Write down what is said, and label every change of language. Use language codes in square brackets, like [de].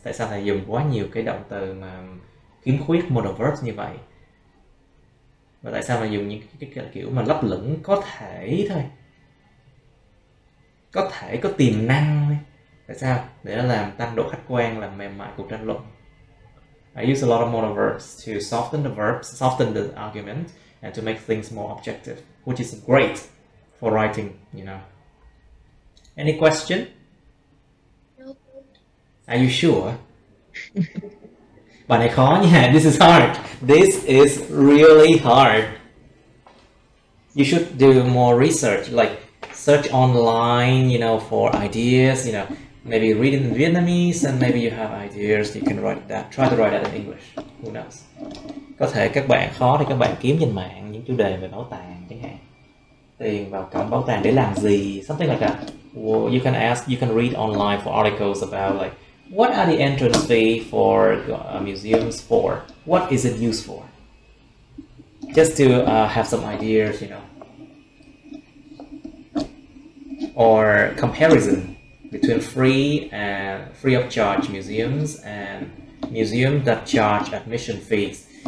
[vi] Tại sao lại dùng quá nhiều cái động từ mà khiếm khuyết modal verbs như vậy? Và tại sao lại dùng những cái kiểu mà lấp lửng có thể thôi? Có thể, có tiềm năng thôi. Tại sao? Để nó làm tăng độ khách quan, làm mềm mại cuộc tranh luận. [en] I use a lot of modal verbs to soften the verbs, soften the argument, and to make things more objective, which is great for writing, you know. Any question? No. Are you sure? [vi] Bài này khó nha. [en] This is hard. This is really hard. You should do more research, like search online, you know, for ideas, you know. maybe read it in Vietnamese, and maybe you have ideas, you can write that, try to write that in English. Who knows? [vi] Có thể các bạn khó thì các bạn kiếm trên mạng những chủ đề về bảo tàng chẳng hạn. Tiền vào cổng bảo tàng để làm gì? [en] Something like that. Well, you can ask, you can read online for articles about like, what are the entrance fee for museums for? What is it used for? Just to have some ideas, you know. Or comparison between free and free of charge museums and museums that charge admission fees.